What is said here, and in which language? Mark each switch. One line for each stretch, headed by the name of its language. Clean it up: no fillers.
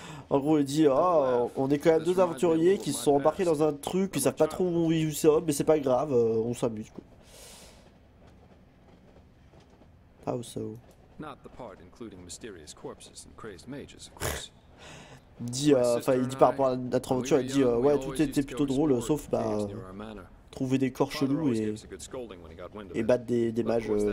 French: En gros, il dit, on est quand même deux aventuriers qui se sont embarqués dans un truc, qui savent pas trop où ils sont, mais c'est pas grave, on s'amuse, quoi.
English: How so? Not the part including mysterious corpses and crazed mages, of course.
French: Il dit par rapport à notre aventure, il dit ouais, tout était plutôt drôle sauf trouver des corps chelous et battre des mages.